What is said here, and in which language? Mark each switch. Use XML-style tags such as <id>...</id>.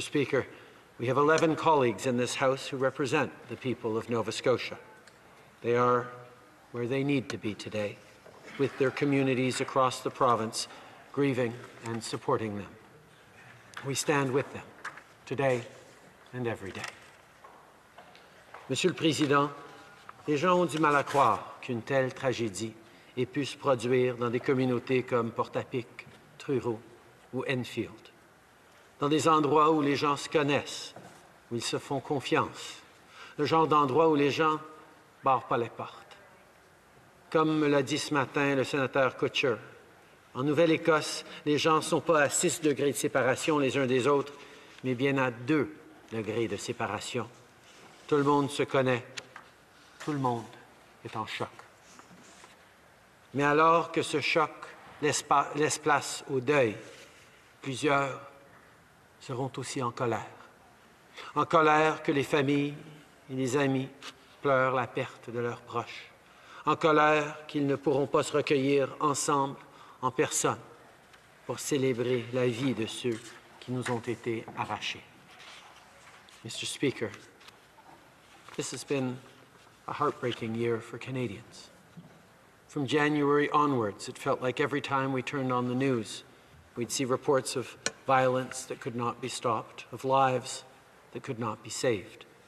<en>Speaker, we have 11 colleagues in this House who represent the people of Nova Scotia. They are where they need to be today, with their communities across the province, grieving and supporting them. We stand with them today and every day.</en> <fr>Monsieur le Président, les gens ont du mal à croire qu'une telle tragédie ait pu se produire dans des communautés comme Portapique, Truro ou Enfield. Dans des endroits où les gens se connaissent, où ils se font confiance. Le genre d'endroit où les gens ne barrent pas les portes. Comme me l'a dit ce matin le sénateur Kutcher, en Nouvelle-Écosse, les gens ne sont pas à 6 degrés de séparation les uns des autres, mais bien à 2 degrés de séparation. Tout le monde se connaît. Tout le monde est en choc. Mais alors que ce choc laisse place au deuil, plusieurs seront aussi en colère que les familles et les amis pleurent la perte de leurs proches, en colère qu'ils ne pourront pas se recueillir ensemble, en personne, pour célébrer la vie de ceux qui nous ont été arrachés.</fr> <en>Mr. Speaker, this has been a heartbreaking year for Canadians. From January onwards, it felt like every time we turned on the news, we'd see reports of violence that could not be stopped, of lives that could not be saved.</en>